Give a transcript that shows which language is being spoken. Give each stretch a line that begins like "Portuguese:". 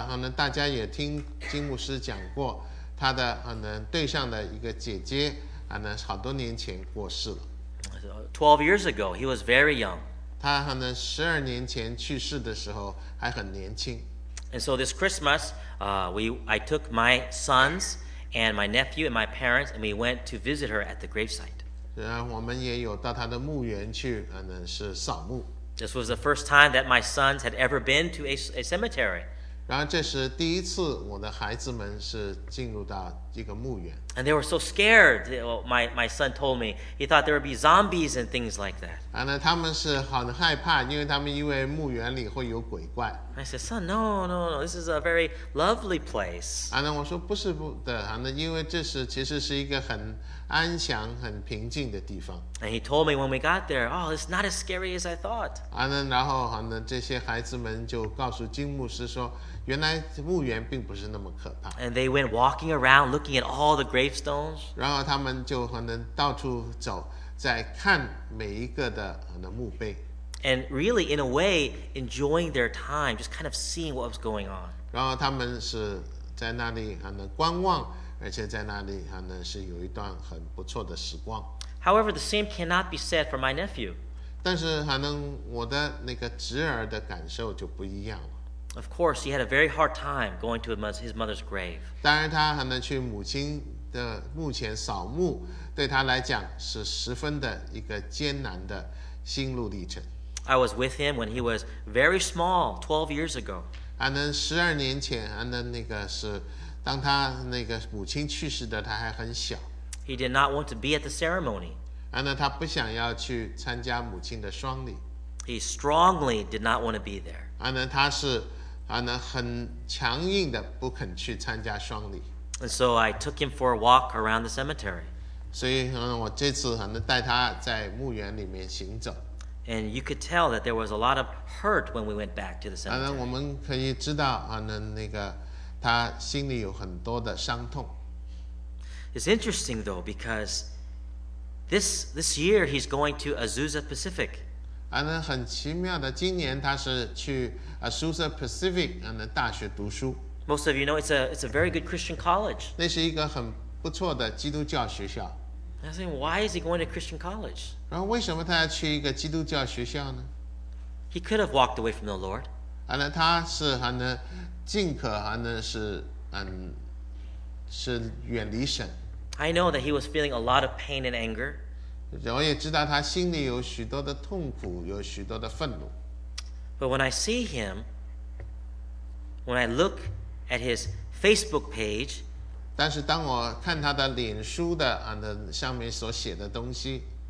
Chinese: 大家也听金牧师讲过，他的对象的一个姐姐，好多年前过世了。
English: 12 years ago, he was very young.
Chinese: 他十二年前去世的时候还很年轻。
English: And so this Christmas, I took my sons and my nephew and my parents, and we went to visit her at the gravesite.
Chinese: 我们也有到他的墓园去，是扫墓。
English: This was the first time that my sons had ever been to a cemetery.
Chinese: 然后这是第一次我的孩子们是进入到一个墓园。
English: And they were so scared, my son told me. He thought there would be zombies and things like that.
Chinese: 他们是很害怕，因为他们以为墓园里会有鬼怪。
English: I said, son, no, this is a very lovely place.
Chinese: 我说不是的，因为这是其实是一个很安详很平静的地方。
English: And he told me when we got there, oh, it's not as scary as I thought.
Chinese: 然后这些孩子们就告诉金牧师说，原来墓园并不是那么可怕。
English: And they went walking around, looking at all the gravestones.
Chinese: 然后他们就到处走，在看每一个的墓碑。
English: And really, in a way, enjoying their time, just kind of seeing what was going on.
Chinese: 然后他们是在那里观望。而且在那里是有一段很不错的时光。
English: However, the same cannot be said for my nephew.
Chinese: 但是我的那个侄儿的感受就不一样了。
English: Of course, he had a very hard time going to his mother's grave.
Chinese: 当然他去母亲的墓前扫墓，对他来讲是十分的一个艰难的心路历程。
English: I was with him when he was very small, 12 years ago.
Chinese: 十二年前那个是当他那个母亲去世的他还很小。
English: He did not want to be at the ceremony.
Chinese: 他不想要去参加母亲的丧礼。
English: He strongly did not want to be there.
Chinese: 他是很强硬的不肯去参加丧礼。
English: And so I took him for a walk around the cemetery.
Chinese: 所以我这次带他在墓园里面行走。
English: And you could tell that there was a lot of hurt when we went back to the cemetery.
Chinese: 我们可以知道那个他心里有很多的伤痛。
English: It's interesting though because this year he's going to Azusa Pacific.
Chinese: 很奇妙的，今年他是去 Azusa Pacific 大学读书。
English: Most of you know it's a very good Christian college.
Chinese: 那是一个很不错的基督教学校。
English: I was thinking, why is he going to Christian college?
Chinese: 然后为什么他要去一个基督教学校呢？
English: He could have walked away from the Lord.
Chinese: 他是尽可是是远离神。
English: I know that he was feeling a lot of pain and anger.
Chinese: 我也知道他心里有许多的痛苦，有许多的愤怒。
English: But when I see him, when I look at his Facebook page,
Chinese: 但是当我看他的脸书的上面所写的东西，